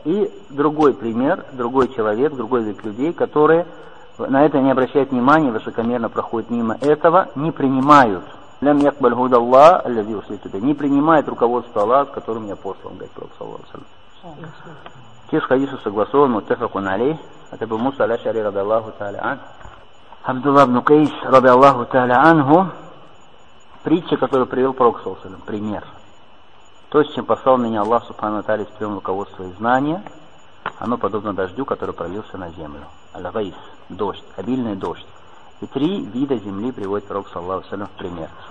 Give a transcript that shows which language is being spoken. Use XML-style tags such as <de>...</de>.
<ru>И другой пример, другой человек, другой вид людей, которые на это не обращают внимания, высокомерно проходят мимо этого, не принимают.</ru> <ar>لَمْ يَقْبَلْ هُدَ اللَّهَ الَّذِي وَسْلِتُ بِهِ.</ar> <ru>Не принимает руководство Аллаха, с которым я послан, говорит Пророк</ru> <ar>صلى الله عليه وسلم.</ar> <ru>Текст хадиса согласован, муттафакун алейх. Это был Муса аль-Ашъари</ru> <ar>رضي الله تعالى عنه.</ar> <ru>Абдулла ибн Кейс</ru> <ar>رضي الله تعالى عنه.</ar> <ru>Притча, которую привел Пророк</ru> <ar>صلى الله عليه وسلم.</ar> <ru>Пример. То, с чем послал меня Аллах Субхану ва Тааля, с прием руководства и знания, оно подобно дождю, который пролился на землю. Аль-Гайс, дождь, обильный дождь. И три вида земли приводит Пророк саллаллаху алейхи ва саллям в пример.</ru>